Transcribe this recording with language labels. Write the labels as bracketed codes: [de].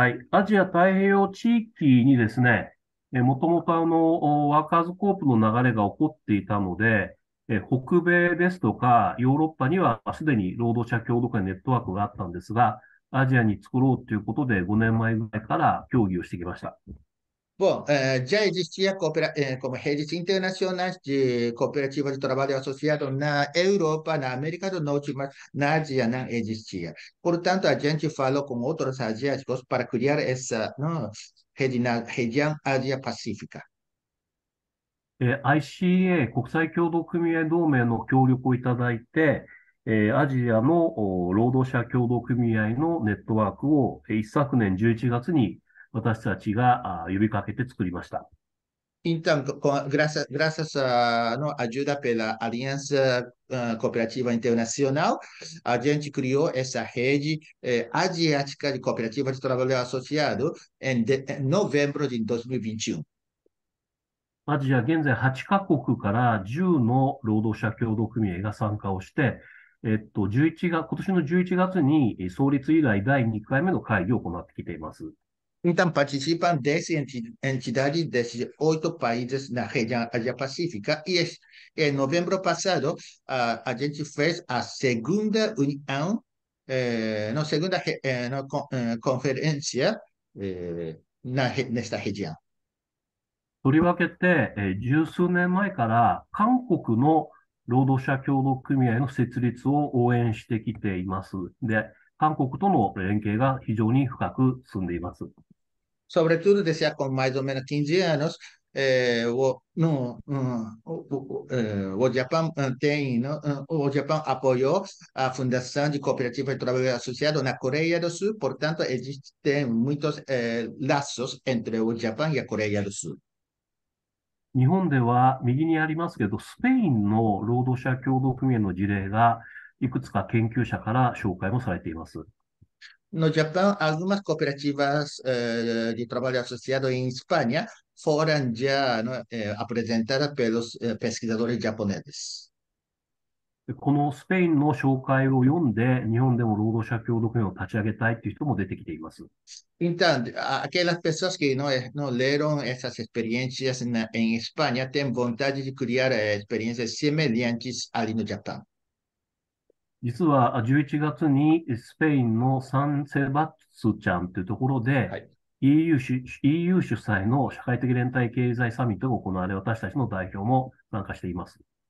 [ja] アジア太平洋地域にですね、もともとワーカーズコープの流れが起こっていたので、北米ですとかヨーロッパにはすでに労働者協同会ネットワークがあったんですが、アジアに作ろうということで5年前ぐらいから協議をしてきました。 [pt] Bom, já existia como redes internacionais de cooperativas de trabalho associado na Europa, na América do Norte, mas na Ásia não existia. Portanto, a gente falou com outros asiáticos para criar essa, não, rede na região Ásia-Pacífica. [ja] ICA、国際協同組合同盟の協力をいただいて、アジアの労働者協同組合のネットワークを一昨年11月に私たちが呼びかけて作りました。 [pt] Então, graças à ajuda pela Aliança Cooperativa Internacional, a gente criou essa rede asiática de cooperativas de trabalho associado em novembro de 2021. [ja] アジア現在8カ国から10の労働者協同組合が参加をして、今年の11月に創立以来第2回目の会議を行ってきています。 [pt] Então, participam 10 entidades desses 8 países na região Ásia-Pacífica. E em novembro passado, a gente fez a segunda união, na segunda conferência nesta região. [ja] とりわけて、十数年前から韓国の労働者協同組合の設立を応援してきています。で、韓国との連携が非常に深く進んでいます。 [pt] Sobretudo, desde há mais ou menos 15 anos, o Japão apoiou a Fundação de Cooperativa de Trabalho Associado na Coreia do Sul. Portanto, existem muitos laços entre o Japão e a Coreia do Sul. [ja] 日本では右にありますけど、スペインの労働者協同組合の事例がいくつか研究者から紹介もされています。 [pt] No Japão, algumas cooperativas de trabalho associado em Espanha foram já apresentadas pelos pesquisadores japoneses. [ja] このスペインの紹介を読んで、日本でも労働者協同組合を立ち上げたいという人も出てきています。 [pt] Então, aquelas pessoas que não leram essas experiências em Espanha têm vontade de criar experiências semelhantes ali no Japão. [ja] 実は11月にスペインのサンセバスチャンというところで EU 主催の社会的連帯経済サミットが行われ、私たちの代表も参加しています。